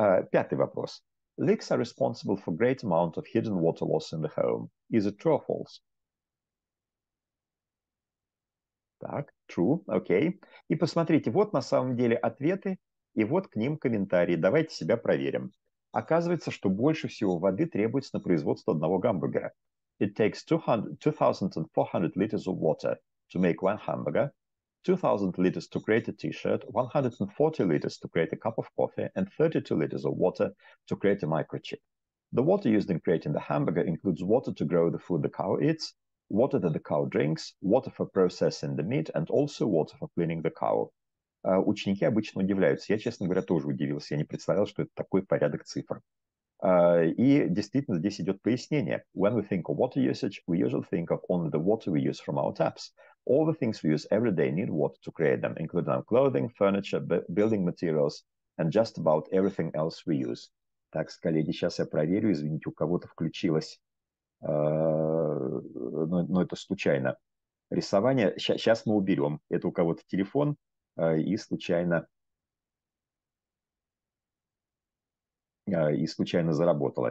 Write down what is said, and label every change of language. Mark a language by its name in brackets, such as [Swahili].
[Russian] Пятый вопрос. [English] Leaks are responsible for great amount of hidden water loss in the home. Is it true or false? Так, true, okay. [Russian] И посмотрите, вот на самом деле ответы, и вот к ним комментарии. Давайте себя проверим. Оказывается, что больше всего воды требуется на производство одного гамбургера. [English] It takes 2,400 liters of water to make one hamburger, 2,000 liters to create a t-shirt, 140 liters to create a cup of coffee, and 32 liters of water to create a microchip. The water used in creating the hamburger includes water to grow the food the cow eats, water that the cow drinks, water for processing the meat, and also water for cleaning the cow. [Russian] Ученики обычно удивляются. Я, честно говоря, тоже удивился. Я не представлял, что это такой порядок цифр. И действительно, здесь идет пояснение. [English] When we think of water usage, we usually think of only the water we use from our taps. All the things we use every day need water to create them, including our clothing, furniture, building materials, and just about everything else we use. [Russian] Так, коллеги, сейчас я проверю. Извините, у кого-то включилось. Но это случайно. Рисование. Сейчас мы уберем. Это у кого-то телефон. И случайно заработало.